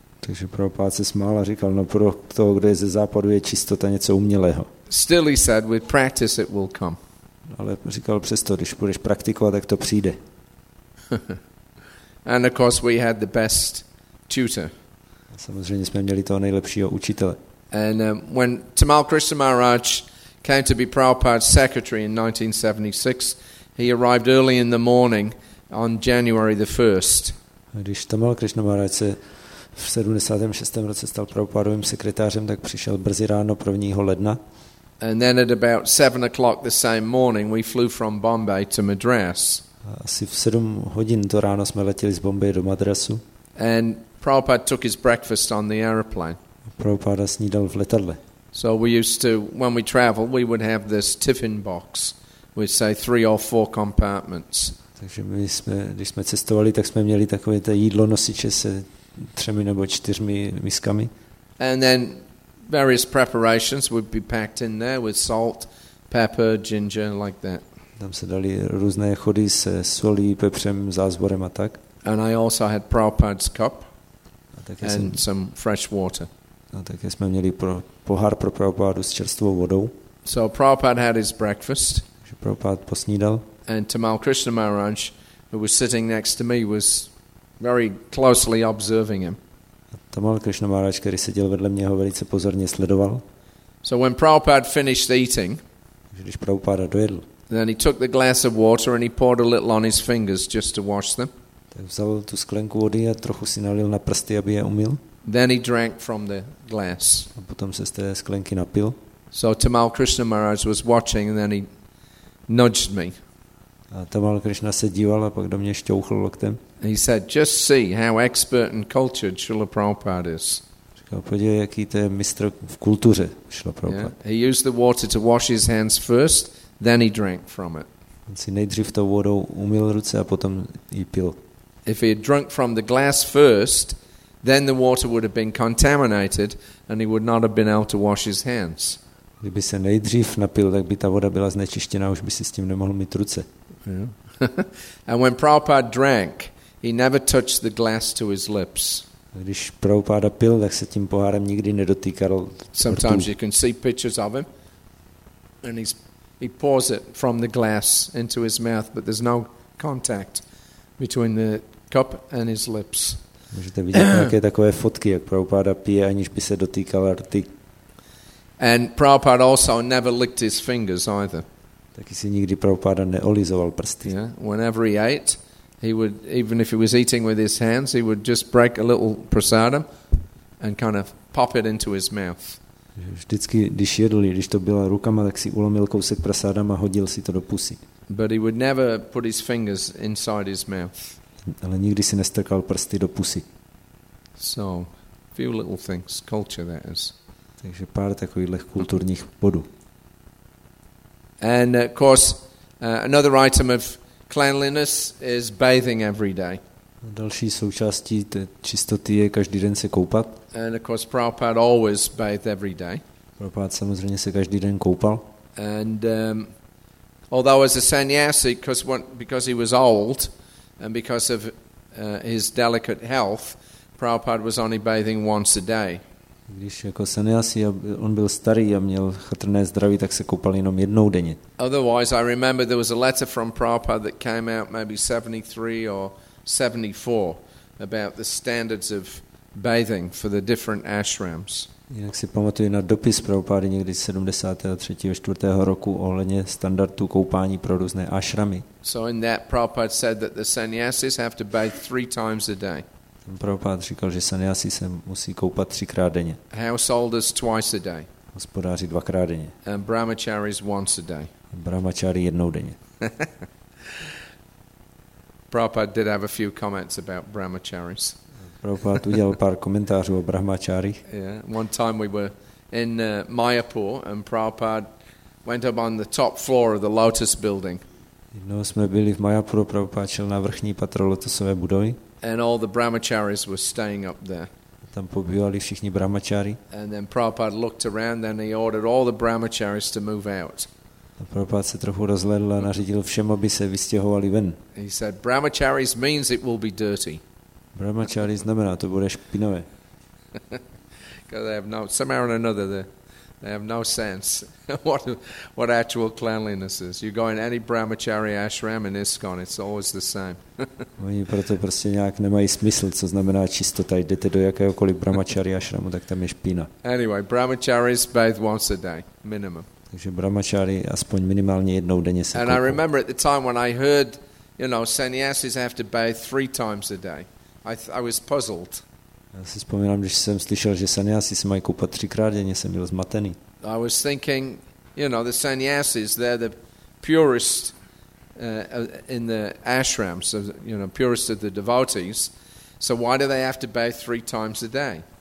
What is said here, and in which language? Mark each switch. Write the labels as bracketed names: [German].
[Czech] Takže Prabhupád se smál a říkal, no pro toho, kde je ze západu, je čistota něco umělého. [English] Still he said, with practice it will come. [Czech] Ale říkal přesto, když budeš praktikovat, tak to přijde. [English] And of course we had the best tutor. [Czech] A samozřejmě jsme měli toho nejlepšího učitele. [English] And when Tamal Krishna Maharaj came to be Prabhupada's secretary in 1976. He arrived early in the morning on January the 1st. [Czech] Když Tamal Krishnamurti se v 76. roce stal Prabhupádovým sekretářem, tak přišel brzy ráno 1. ledna. [English] And then at about 7 o'clock the same morning we flew from Bombay to Madras. [Czech] Asi v 7 hodin to ráno jsme letěli z Bombaje do Madrasu. [English] And Prabhupada took his breakfast on the aeroplane. [Czech] Prabhupada snídal v letadle. [English] So we used to, when we traveled, we would have this tiffin box with say 3 or 4 compartments. [Czech] Takže my jsme, když jsme cestovali, tak jsme měli takové to jídlo nosiče se 3 nebo 4 miskami. [English] And then various preparations would be packed in there with salt, pepper, ginger, like that. [Czech] Tam se dali různé chody se solí, pepřem, zázvorem a tak. [English] And I also had Prabhupada's cup and some fresh water. [Czech] A také jsme měli pohár pro Prabhupádu s čerstvou vodou. [English] So Prabhupada had his breakfast. [Czech] Prabhupada posnídal. [English] And Tamal Krishna Maharaj, who was sitting next to me, was very closely observing him. [Czech] Tamal Krishna Maharaj, který seděl vedle mě, ho velice pozorně sledoval. [English] So when Prabhupada finished eating, [Czech] když Prabhupada dojedl, [English] then he took the glass of water and he poured a little on his fingers just to wash them. [Czech] Tak vzal tu sklenku vody a trochu si nalil na prsty, aby je umyl. [English] Then he drank from the glass. [Czech] A potom se z té sklenky napil. [English] So Tamal Krishna Maharaj was watching and then he nudged me. [Czech] A Tamal Krishna se díval a pak do mě šťouchl loktem. [English] He said, just see how expert in culture Srila Prabhupada is. [Czech] Říkal, podívej, jaký to je mistr v kultuře Srila Prabhupada. [English] Yeah. He used the water to wash his hands first, then he drank from it. [Czech] On si nejdřív tou vodou umyl ruce a potom ji pil. [English] If he had drunk from the glass first, then the water would have been contaminated and he would not have been able to wash his hands. [Czech] Kdyby se nejdřív napil, tak by ta voda byla znečištěna, už by si s tím nemohl mít ruce. [English] And when Prabhupada drank, he never touched the glass to his lips. [Czech] Když Prabhupada pil, tak se tím pohárem nikdy nedotýkal. [English] Sometimes you can see pictures of him and he pours it from the glass into his mouth, but there's no contact between the cup and his lips. [Czech] Můžete vidět nějaké takové fotky, jak Prabhupada pije, aniž by se dotýkal rty. [English] And Prabhupada also never licked his fingers either. [Czech] Taky si nikdy Prabhupada neolizoval prsty. [English] Yeah. Whenever he ate, he would, even if he was eating with his hands, he would just break a little prasadam and kind of pop it into his mouth. [Czech] Vždycky, když jedl, když to bylo rukama, tak si ulomil kousek prasadam a hodil si to do pusy. [English] But he would never put his fingers inside his mouth. [Czech] Ale nikdy si nestrkal prsty do pusy. [English] So, few little things, culture that is. [Czech] Takže pár takových kulturních bodů. [English] And of course, another item of cleanliness is bathing every day. [Czech] Další součástí čistoty je každý den se koupat. [English] And of course, Prabhupada always bathed every day. [Czech] Prabhupada samozřejmě se každý den koupal. [English] And although as a sannyasi, because he was old and because of his delicate health, Prabhupada was only bathing once a day. [Czech] Když jako sannyasi, on byl starý a měl chatrné zdraví, tak se koupal jenom jednou denně. [English] Otherwise, I remember there was a letter from Prabhupada that came out maybe 73 or 74 about the standards of bathing for the different ashrams. [Czech] Jinak si pamatuju na dopis Prabhupady někdy 73. a 4. roku ohledně standardů koupání pro různé ashramy. [English] So in that Prabhupada said that the sannyasis have to bathe 3 times a day. [Czech] Prabhupada říkal, že sannyasi se musí koupat 3x denně. [English] Householders twice a day. [Czech] Hospodáři 2x denně. [English] And brahmacharis once a day. [Czech] Brahmacharis 1 denně. [English] Prabhupada did have a few comments about brahmacharis. [Czech] Prabhupada udělal pár komentářů o brahmacharích. [English] Yeah, one time we were in Mayapur and Prabhupada went up on the top floor of the Lotus building. [Czech] Jednou jsme byli v Mayapuru, Prabhupada šel na vrchní patro lotosové budovy. [English] And all the brahmacharis were staying up there. [Czech] Tam pobývali všichni brahmachari. [English] And then Prabhupada looked around and he ordered all the brahmacharis to move out. [Czech] A Prabhupada se trochu rozhlédl a nařídil všem, aby se vystěhovali ven. [English] He said, brahmacharis means it will be dirty. [Czech] Brahmachari znamená, to bude špinavé. [English] Because they have no, somehow or another, they have no sense what actual cleanliness is. You go in any brahmachari ashram in ISKCON, it's always the same. [Czech] Oni proto prostě nějak nemají smysl, co znamená čistota. Jdete do jakéhokoliv brahmachari ashramu, tak tam je špína. [English] Anyway, brahmacharis bathe once a day, minimum. [Czech] Takže brahmačáry aspoň minimálně jednou denně se koupou. [English] And I remember at the time when I heard, you know, sannyasis have to bathe 3 times a day. I was puzzled. [Czech] Já si vzpomínám, když jsem slyšel, že sannyasi se mají koupat 3x denně, jsem byl zmatený. [English] I was thinking, you know, the sannyasis, they're the purest in the ashram, so you know, purest of the devotees. So why do they have to bathe 3 times a day?